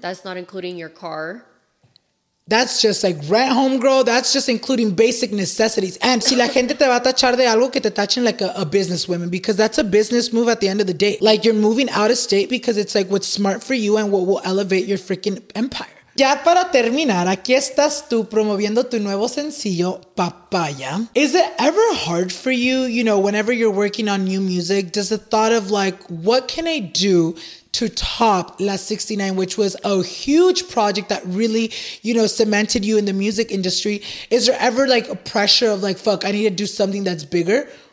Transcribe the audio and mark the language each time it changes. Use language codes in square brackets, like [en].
[en] That's not including your car. That's just like rent, homegirl. That's just including basic necessities. And [es] si la gente te va a tachar de algo, que te tachen [en] like a businesswoman, because that's a business move at the end of the day. Like, you're moving out of state because it's like what's smart for you and what will elevate your freaking empire. [es] Ya para terminar, aquí estás tú promoviendo tu nuevo sencillo, Papaya. [en] Is it ever hard for you, you know, whenever you're working on new music, does the thought of like, what can I do to top La 69, which was a huge project that really, you know, cemented you in the music industry. Is there ever like a pressure of like, fuck, I need to do something that's bigger?